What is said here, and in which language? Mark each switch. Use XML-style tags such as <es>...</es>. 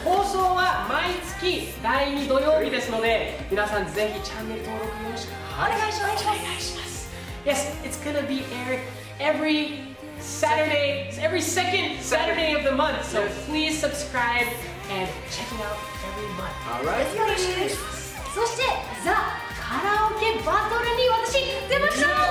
<ja>放送は毎月第2土曜日ですので、皆さんぜひチャンネル登録よろしくお願いします。お願いします。</ja> <en>Yes, it's gonna be aired every Saturday, every second Saturday of the month. So please subscribe and check it out every month. All right.</en> <ja>よろしくお願いします。そして、ザ・カラオケバトルに私、出ました。</ja>